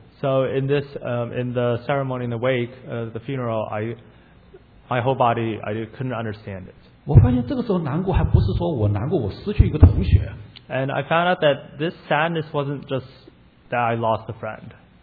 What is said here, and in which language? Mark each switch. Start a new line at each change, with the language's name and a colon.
English: So in this in the ceremony in the wake the funeral my whole body I couldn't understand it.
Chinese: 我发现这个时候难过还不是说我难过我失去一个同学。
English: And I found out that this sadness wasn't just that I lost a friend.